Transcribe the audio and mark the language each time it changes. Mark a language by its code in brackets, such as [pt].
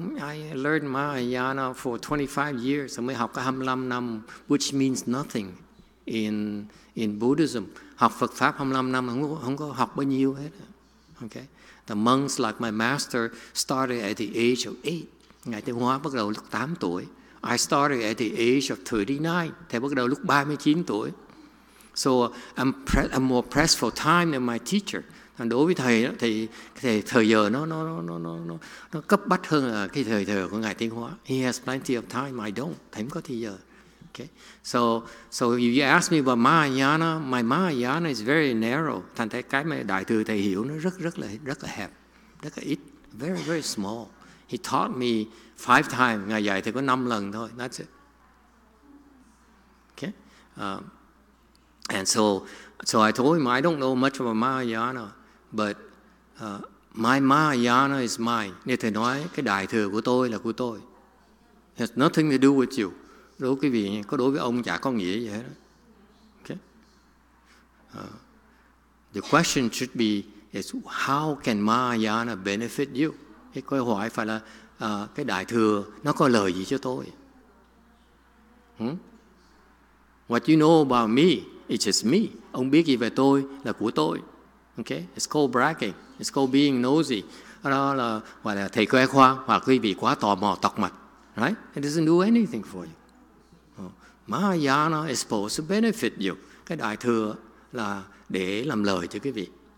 [en] I learned Mahayana for 25 years. [vi] Mới học có 25 năm, [en] which means nothing in Buddhism. [vi] Học Phật Pháp 25 năm, không có học bao nhiêu hết. [en] Okay? The monks like my master started at the age of 8. [vi] Ngài Tiên Hóa bắt đầu lúc 8 tuổi. [en] I started at the age of 39. [vi] Thầy bắt đầu lúc 39 tuổi. [en] So I'm more pressed for time than my teacher. [vi] Thành đối với thầy thì thời giờ nó cấp bách hơn là cái thời của ngài Tiên Hóa. [en] He has plenty of time, I don't. [vi] Thầy không có thời giờ. [en] Okay. So if you ask me about Mahayana, my Mahayana is very narrow. [vi] Thành thế cái mà đại thừa thầy hiểu nó rất là hẹp, rất là ít, [en] very very small. He taught me 5 times. [vi] Ngài dạy thầy có 5 lần thôi. [en] That's it. Okay. And so I told him, I don't know much about Mahayana, but my Mahayana is mine. [vi] Nên thầy nói, cái đại thừa của tôi là của tôi. [en] It has nothing to do with you. [vi] Đối với quý vị, có đối với ông chả có nghĩa gì hết. [en] Okay. The question should be, is how can Mahayana benefit you? [vi] Cái câu hỏi phải là, cái đại thừa, nó có lợi gì cho tôi? [en] What you know about me, it's just me. [vi] Ông biết gì về tôi là của tôi. Okay? [en] It's called bragging. It's called being nosy. [vi] Đó là gọi là thầy khoe khoang hoặc quý vị quá tò mò tọc mạch. Right? [en] It doesn't do anything for you. Mahayana is supposed to benefit you. [vi] Cái đại thừa là để làm lợi cho quý vị.